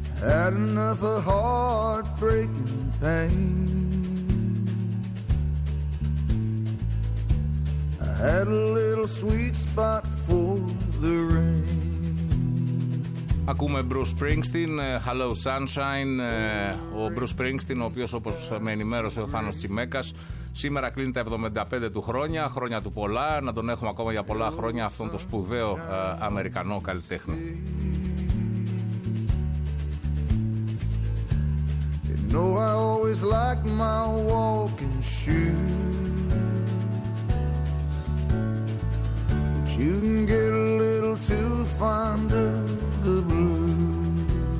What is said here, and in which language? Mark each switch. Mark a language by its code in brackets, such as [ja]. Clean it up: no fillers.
[en] Had enough of heartbreaking pain. I had a little sweet spot for the rain. [el] Ακούμε Bruce Springsteen, Hello Sunshine. Ο Bruce Springsteen, ο οποίος, όπως με ενημέρωσε ο Θάνος Τσιμέκας, σήμερα κλείνει τα 75 του χρόνια, χρόνια του πολλά. Να τον έχουμε ακόμα για πολλά χρόνια αυτόν τον σπουδαίο Αμερικανό καλλιτέχνη. [en] No, I always liked my walking shoes, but you can get a little too fond of the blues.